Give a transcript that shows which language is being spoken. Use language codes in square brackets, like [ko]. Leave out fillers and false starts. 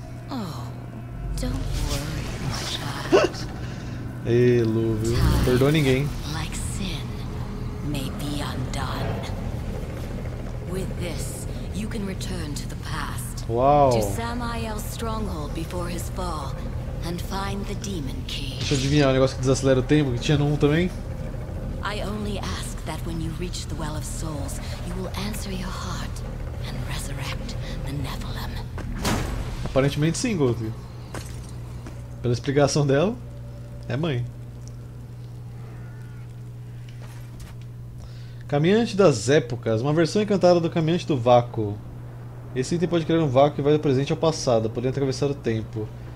[en] Oh, don't worry, my child. [pt] Ei, Lu, viu? Não perdoa ninguém. [en] Like sin may be undone. With this, you can return to the past. Uau. To Samael's stronghold before his fall. And find the demon key. [pt] Deixa eu adivinhar, um negócio que desacelera o tempo, que tinha no 1 também. [en] I only ask that when you reach the Well of Souls, you will answer your heart and resurrect the Nephilim. [pt] Aparentemente sim, Gold. Pela explicação dela, é mãe. Caminhante das épocas, uma versão encantada do Caminhante do Vácuo. Esse item pode criar um vácuo que vai do presente ao passado, podendo atravessar o tempo.